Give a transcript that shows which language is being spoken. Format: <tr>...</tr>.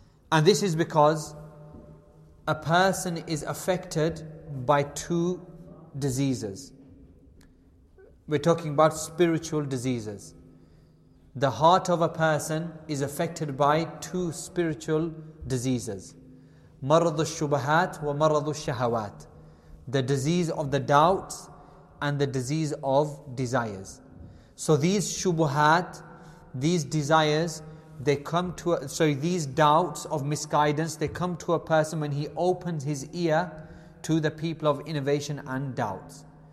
<en>And this is because a person is affected by two diseases. We're talking about spiritual diseases. The heart of a person is affected by two spiritual diseases.</en> <ar>مرض الشبهات ومرض الشهوات.</ar> <en>The disease of the doubts and the disease of desires. So these shubuhat, these desires, they come to a, sorry, these doubts of misguidance, they come to a person when he opens his ear to the people of innovation and doubts.</en>